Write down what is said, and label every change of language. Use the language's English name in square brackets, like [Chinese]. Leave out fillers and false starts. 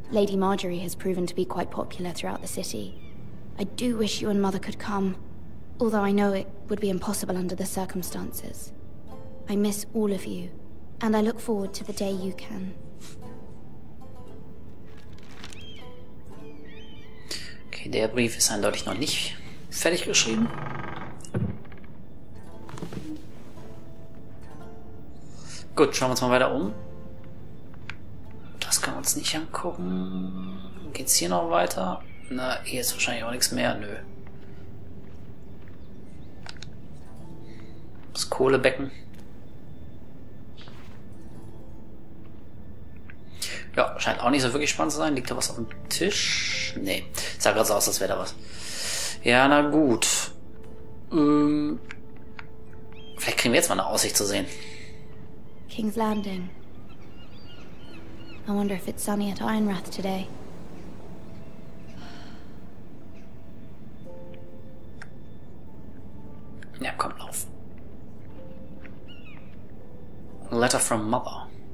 [English] Lady Marjorie has proven to be quite popular throughout the city. I do wish you and Mother could come, although I know it would be impossible under the circumstances. I miss all of you, and I look forward to the day you can. [German] Okay, der Brief ist eindeutig noch nicht fertig geschrieben. Gut, schauen wir uns mal weiter um. Das können wir uns nicht angucken. Geht's hier noch weiter? Na, hier ist wahrscheinlich auch nichts mehr. Nö. Das Kohlebecken. Ja, scheint auch nicht so wirklich spannend zu sein. Liegt da was auf dem Tisch? Nee. Sah gerade so aus, als wäre da was. Ja, na gut. Vielleicht kriegen wir jetzt mal eine Aussicht zu sehen. [English] King's Landing. I wonder if it's sunny at Ironwrath today. [German] Ja, komm, lauf. [English] Letter from Mother.